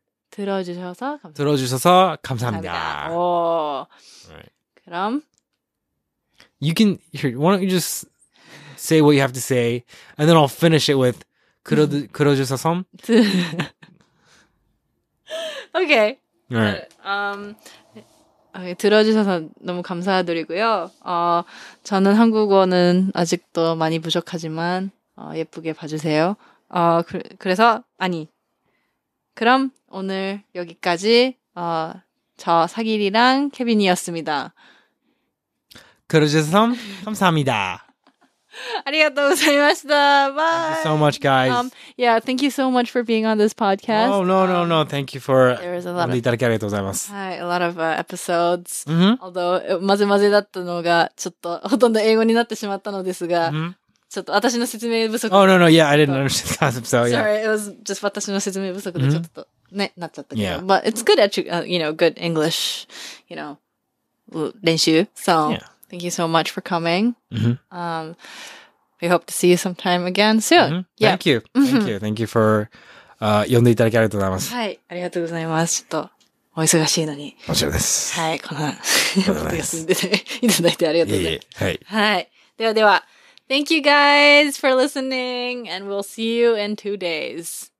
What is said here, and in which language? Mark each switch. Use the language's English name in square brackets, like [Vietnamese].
[Korean] 들어주셔서 감사합니다. 들어주셔서 감사합니다. 오. [English] Right. [Korean] 그럼 [English] You can here, why don't you just say what you have to say, and then I'll finish it with [Korean] 그러주셔서. [English] Okay. All right. [Korean] 들어주셔서 너무 감사드리고요. 저는 한국어는 아직도 많이 부족하지만 예쁘게 봐주세요. 그래서 아니. 그럼 오늘 여기까지 저 사길이랑 케빈이었습니다. 그러주셔서 감사합니다. 안녕하세요. [English] Bye. Thank you so much, guys. Yeah, thank you so much for being on this podcast. Oh, no. Thank you for there was a lot of episodes. Although, [Japanese] まぜまぜだったのがちょっとほとんど英語になってしまったのですが, ちょっと私の説明不足. [English] Oh, no. Yeah, I didn't understand the last episode. Yeah. Sorry, it was just [Japanese] 私の説明不足でちょっとね、なっちゃったけど. [English] Yeah. But it's good at you know, good English, you know, [Japanese] 練習. [English] So, yeah. Thank you so much for coming. Mm-hmm. We hope to see you sometime again soon. Mm-hmm. Yeah. Thank you. Thank you. Thank you for [Japanese] 呼んでいただきありがとうございます. はい、 ありがとうございます.ちょっとお忙しいのに. もちろんです. はい、 この呼んでいただいてありがとうございます. はい。はい。ではでは. [English] Thank you guys for listening and we'll see you in 2 days.